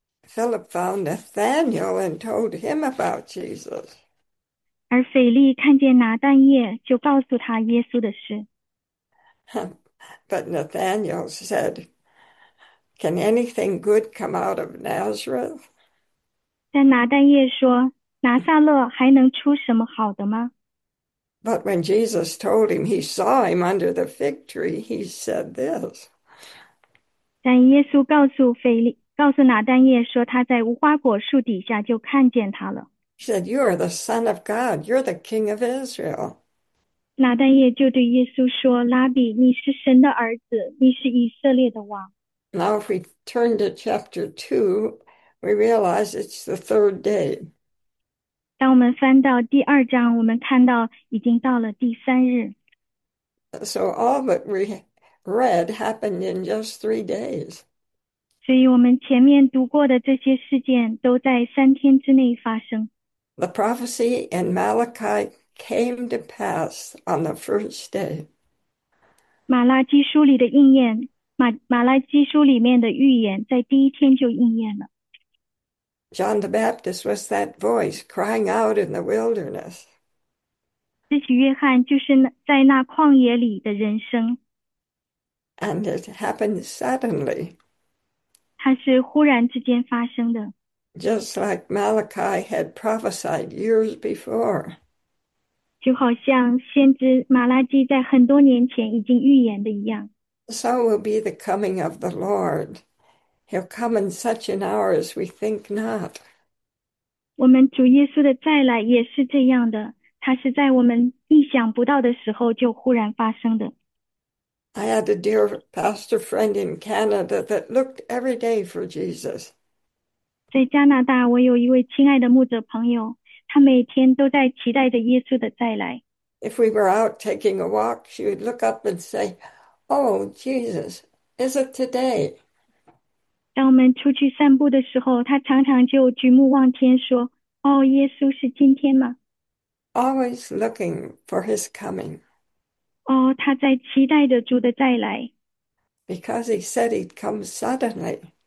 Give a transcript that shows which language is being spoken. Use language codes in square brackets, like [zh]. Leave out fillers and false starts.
[en] Philip found Nathanael and told him about Jesus. [zh] ”而腓力看见拿但业，就告诉他耶稣的事。 [en] But Nathanael said, Can anything good come out of Nazareth? [zh] 但拿但业说：“拿撒勒还能出什么好的吗？” [en] But when Jesus told him he saw him under the fig tree, he said this. [zh] 但耶稣告诉腓力，告诉拿但业说，他在无花果树底下就看见他了。 [en] Said, You are the Son of God, you're the King of Israel. [zh] 拿但业就对耶稣说：“拉比，你是神的儿子，你是以色列的王。 [en] Now, if we turn to chapter 2, we realize it's the third day. [zh] ”当我们翻到第2章，我们看到已经到了第3日。 [en] So, all that we read happened in just 3 days. [zh] 所以，我们前面读过的这些事件都在3天之内发生。 [en] The prophecy in Malachi came to pass on the first day. [zh] 马拉基书里面的预言在第1天就应验了。 [en] John the Baptist was that voice crying out in the wilderness. [zh] 施洗约翰就是在那旷野里的人声。 [en] And it happened suddenly. [zh] 它是忽然之间发生的。 [en] Just like Malachi had prophesied years before. [zh] 就好像先知马拉基在很多年前已经预言的一样。 [en] So will be the coming of the Lord. He'll come in such an hour as we think not. [zh] 我们主耶稣的再来也是这样的，他是在我们意想不到的时候就忽然发生的。 [en] I had a dear pastor friend in Canada that looked every day for Jesus. [zh] 在加拿大，我有一位亲爱的牧者朋友。他每天都在期待着耶稣的再来。 [en] If we were out taking a walk, she would look up and say, "Oh, Jesus, is it today?" [zh] 当我们出去散步的时候，他常常就举目望天说："哦，耶稣是今天 [en] Always looking for his coming. ？” [zh] 哦，他在期待着主的再来， [en] Because he said he'd come suddenly.